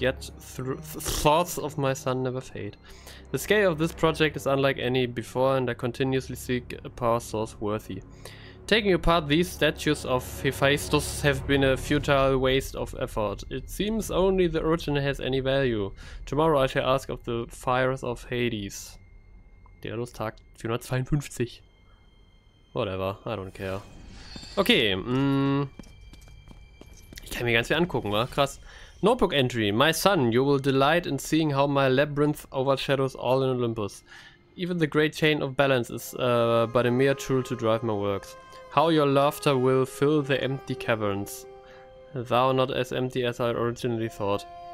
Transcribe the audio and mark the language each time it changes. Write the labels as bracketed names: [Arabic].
[English] Yet thoughts of my son never fade. The scale of this project is unlike any before, and I continuously seek a power source worthy. Taking apart these statues of Hephaestus have been a futile waste of effort. It seems only the original has any value. Tomorrow I shall ask of the fires of Hades. Daedalus Tag 452. Whatever, I don't care. [German] Okay, ich kann mir ganz viel angucken, wa? Krass. [English] Notebook Entry. My son, you will delight in seeing how my labyrinth overshadows all in Olympus. Even the great chain of balance is but a mere tool to drive my works. How your laughter will fill the empty caverns. Thou not as empty as I originally thought.